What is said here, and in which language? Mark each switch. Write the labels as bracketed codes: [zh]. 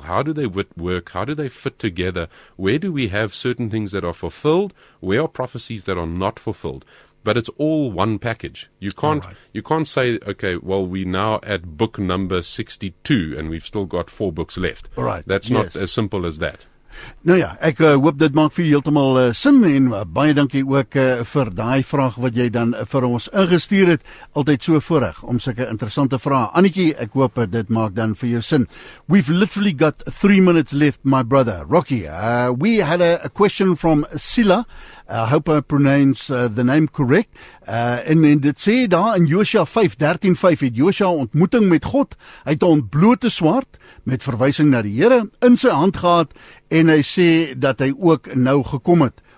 [en] How do they work? How do they fit together? Where do we have certain things that are fulfilled? Where are prophecies that are not fulfilled? But it's all one package. You can't you can't say, okay, well, we now at book number 62 and we've still got four books left. All right. That's not as simple as that. [af] Nou ja, ek hoop dit maak vir heeltemal sin en baie dankie ook vir daai vraag wat jy dan vir ons ingestuur het. Altyd so voorreg om sulke interessante vrae. Annetjie, ek hoop dit maak dan vir jou sin. [en] We've literally got 3 minutes left, my brother. Rocky, we had a question from Sila. I hope I pronounce the name correct. [af] En dit sê daar in Josua 5:13-5 het Josua ontmoeting met God. Hy het 'n ontblote swaard met verwysing na die Here in sy hand gehad en hy sê dat hy ook nou gekom het.